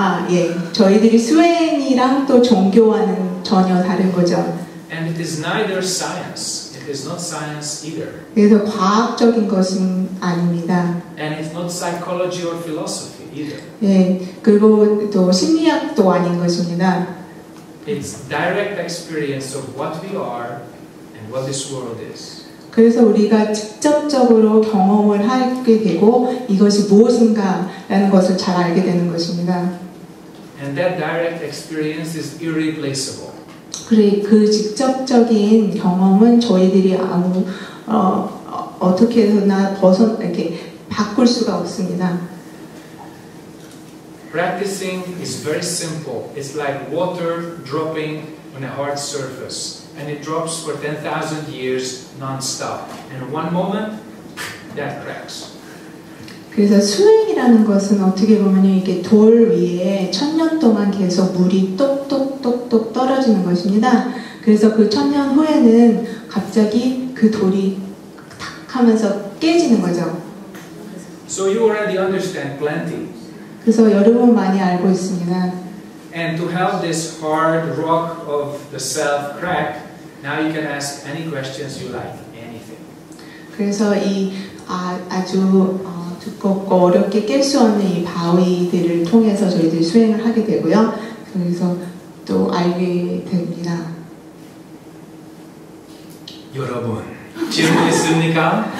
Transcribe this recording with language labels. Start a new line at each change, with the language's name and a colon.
Korean: 예. 저희들이 수행이랑 또 종교와는 전혀 다른 거죠.
English: And it is neither science. It is not science either.
Korean: 그래서 과학적인 것은 아닙니다.
English: And it's not psychology or philosophy either.
Korean: 예. 그리고 또 심리학도 아닌 것입니다.
English: It's direct experience of what we are and what this world is.
Korean: 그래서 우리가 직접적으로 경험을 하게 되고 이것이 무엇인가라는 것을 잘 알게 되는 것입니다.
English: And that direct experience is irreplaceable.
Korean: 그래, 그 직접적인 경험은 저희들이 아무 어떻게나 벗어 이렇게 바꿀 수가 없습니다.
English: Practicing is very simple. It's like water dropping on a hard surface. And it drops for 10,000 years non-stop. And one moment, that cracks.
Korean: 그래서 수행이라는 것은 어떻게 보면 이게 돌 위에 천년 동안 계속 물이 똑똑똑똑 떨어지는 것입니다. 그래서 그 천년 후에는 갑자기 그 돌이 탁 하면서 깨지는 거죠.
English: So you already understand plenty.
Korean: 그래서 여러분 많이 알고 있습니다.
English: And to have this hard rock of the self crack, now you can ask any questions you like, anything.
Korean: 그래서 이 아주 두껍고 어렵게 깰 수 없는 이 바위들을 통해서 저희들이 수행을 하게 되고요. 그래서 또 알게 됩니다. 여러분, 질문 있습니까?